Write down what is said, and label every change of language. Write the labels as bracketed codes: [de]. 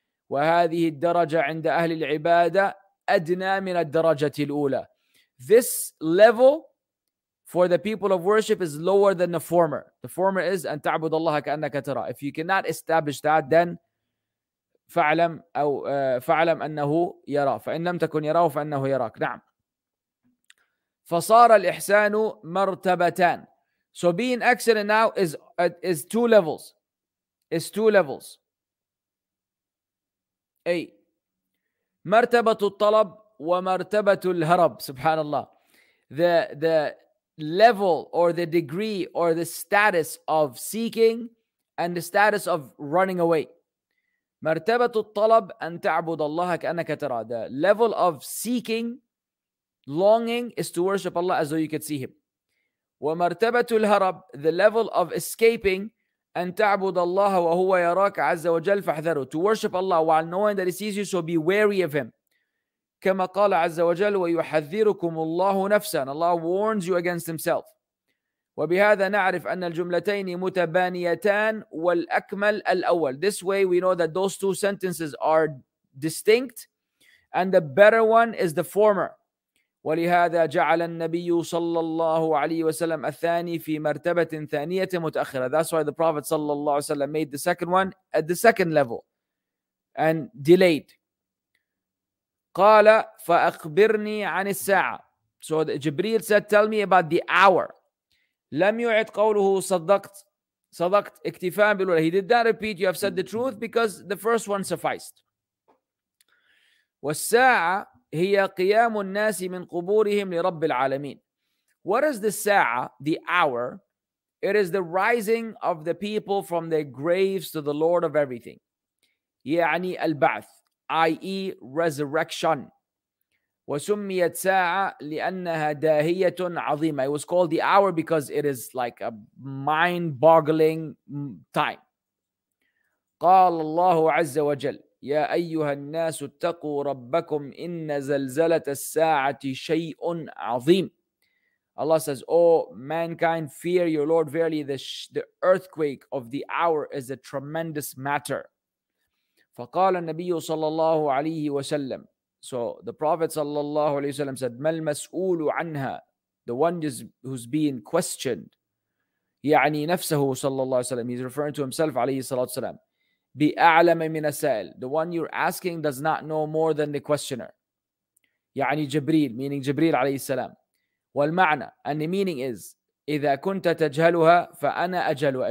[ar] وهذه الدرجة عند أهل العبادة أدنى من الدرجة الأولى. [en] This level for the people of worship is lower than the former. The former is [ar] أن تعبد الله كأنك ترى. [en] If you cannot establish that, then [ar] فعلم أنه يرى. فإن لم تكن يراه فإنه يراك. نعم. فصار الإحسان مرتبتان. [en] So being excellent now is two levels. It's two levels. A. [ar] مرتبة الطلب ومرتبة الهرب. سبحان الله. [en] The level or the degree or the status of seeking and the status of running away. [ar] مرتبة الطلب أن تعبد الله كأنك ترى. [en] The level of seeking, longing, is to worship Allah as though you could see him. [ar] ومرتبة الهرب, [en] the level of escaping, [ar] أن تعبد الله وهو يراك عز وجل فاحذره, [en] to worship Allah while knowing that he sees you, so be wary of him. [ar] كما قال عز وجل ويحذركم الله نفسا, [en] Allah warns you against himself. [ar] وبهذا نعرف أن الجملتين متبانيتان والأكمل الأول. [en] This way we know that those two sentences are distinct and the better one is the former. [ar] وَلِهَذَا جَعَلَ النَّبِيُّ صَلَّى اللَّهُ عَلَيْهِ وَسَلَّمْ أَثَانِي فِي مَرْتَبَةٍ ثَانِيَةٍ مُتَأْخِرَةٍ. [en] That's why the Prophet صلى الله عليه وسلم made the second one at the second level and delayed. [ar] قَالَ فَأَخْبِرْنِي عَنِ السَّاعَةِ. [en] So Jibreel said, tell me about the hour. [ar] لَمْ يُعِدْ قَوْلُهُ صَدَقْت. صَدَقْت اكْتِفَاءً بِالْوَلَى. [en] He did not repeat, you have said the truth, because the first one sufficed. [ar] وَالسَّاعَةِ هي قيام الناس من قبورهم لرب العالمين. [en] What is the sa'a, the hour? It is the rising of the people from their graves to the Lord of everything. [ar] يعني البعث, [en] i.e. resurrection. [ar] وسميت ساعة لأنها داهية عظيمة. [en] It was called the hour because it is like a mind-boggling time. [ar] قال الله عز وجل يا أيها الناس اتقوا ربكم إن زلزلة الساعة شيء عظيم. [en] Allah says, oh mankind, fear your Lord, verily the earthquake of the hour is a tremendous matter. [ar] فقال النبي صلى الله عليه وسلم. [en] So the Prophet صلى الله عليه وسلم said, [ar] ما المسؤول عنها. [en] The one who's being questioned. [ar] يعني نفسه صلى الله عليه وسلم. [en] He's referring to himself عليه الصلاة والسلام. [ar] بأعلم من السائل. [en] The one you're asking does not know more than the questioner. [ar] يعني جبريل, meaning جبريل عليه السلام. والمعنى, [en] and the meaning is, [ar] إذا كنت تجهلها فأنا أجهلها.